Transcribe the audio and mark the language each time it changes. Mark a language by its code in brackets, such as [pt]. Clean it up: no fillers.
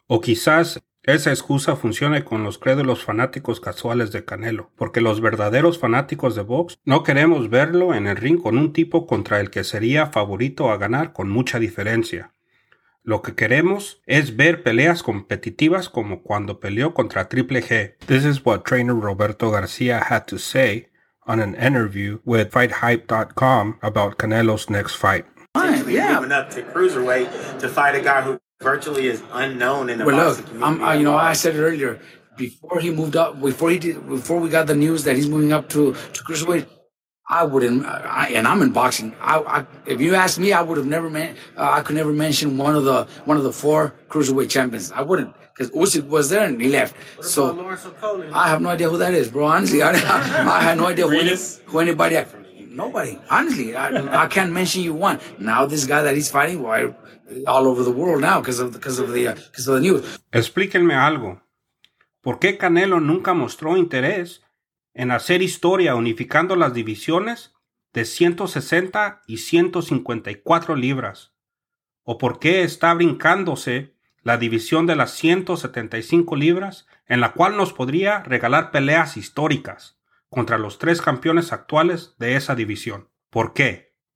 [es] O quizás esa excusa funcione con los crédulos fanáticos casuales de Canelo, porque los verdaderos fanáticos de box no queremos verlo en el ring con un tipo contra el que sería favorito a ganar con mucha diferencia. Lo que queremos es ver peleas competitivas como cuando peleó contra Triple G. [en] This is what trainer Roberto García had to say on an interview with FightHype.com about Canelo's next fight. Finally, yeah, moving up to cruiserweight to fight a guy who virtually is unknown in the boxing community. Well, look, I said it earlier. Before he moved up, before we got the news that he's moving up to cruiserweight, I'm in boxing. If you asked me, I could never mention one of the four cruiserweight champions. I wouldn't, because Usyk was there and he left. So I have no idea who that is, bro. Honestly, I have no idea who anybody. Nobody. Honestly, I can't mention you one. Now this guy that he's fighting, all over the world now because of the news. [es] Explíquenme algo. ¿Por qué Canelo nunca mostró interés en hacer historia unificando las divisiones de 160 y 154 libras? ¿O por qué está brincándose la división de las 175 libras, en la cual nos podría regalar peleas históricas contra los tres campeones actuales de esa división. ¿Por qué?